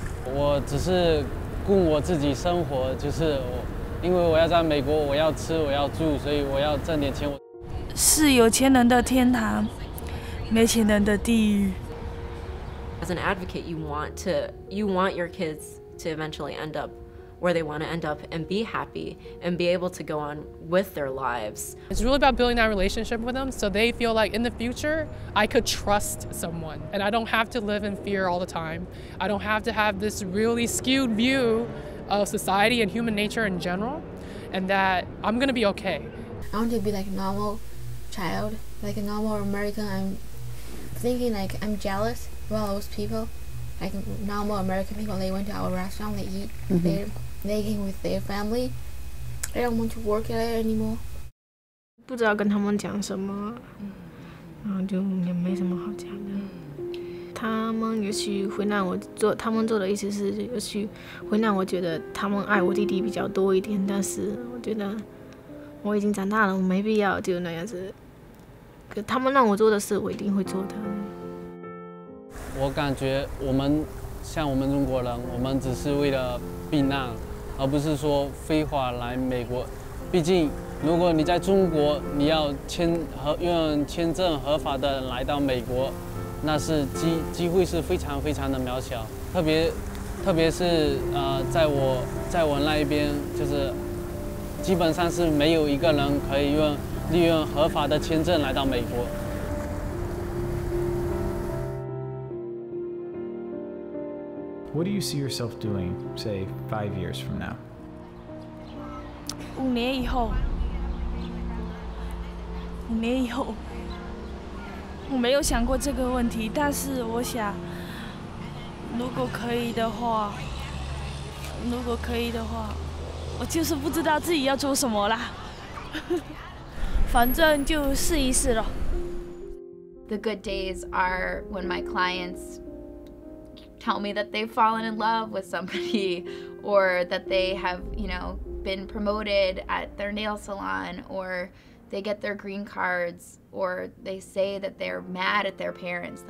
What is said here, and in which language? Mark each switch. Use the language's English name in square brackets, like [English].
[Chinese] 我只是顾我自己生活，就是我，因为我要在美国，我要吃，我要住，所以我要挣点钱。是有钱人的天堂，没钱人的地狱。 [English] As an advocate, you want your kids to eventually end up where they want to end up and be happy and be able to go on with their lives. It's really about building that relationship with them so they feel like in the future, I could trust someone and I don't have to live in fear all the time. I don't have to have this really skewed view of society and human nature in general and that I'm going to be okay. I want to be like a normal child, like a normal American. I'm thinking like I'm jealous of all those people. Like normal American people, they went to our restaurant, they eat, mm-hmm. they're making with their family. They don't want to work there anymore. [Chinese] 不知道跟他们讲什么，然后就也没什么好讲的。他们也许会让我做，他们做的意思是，也许会让我觉得他们爱我弟弟比较多一点。但是我觉得我已经长大了，我没必要就那样子。可他们让我做的事，我一定会做的。我感觉我们像我们中国人，我们只是为了避难，而不是说非法来美国。毕竟，如果你在中国，你要签证合法的来到美国，那是机会是非常非常的渺小。特别是在我那一边，就是基本上是没有一个人可以利用合法的签证来到美国。 [English] What do you see yourself doing, say, 5 years from now? [Chinese] 五年以后，我没有想过这个问题，但是我想，如果可以的话，我就是不知道自己要做什么了，反正就试一试了。 [English] The good days are when my clients. Tell me that they've fallen in love with somebody or that they have, you know, been promoted at their nail salon or they get their green cards or they say that they're mad at their parents.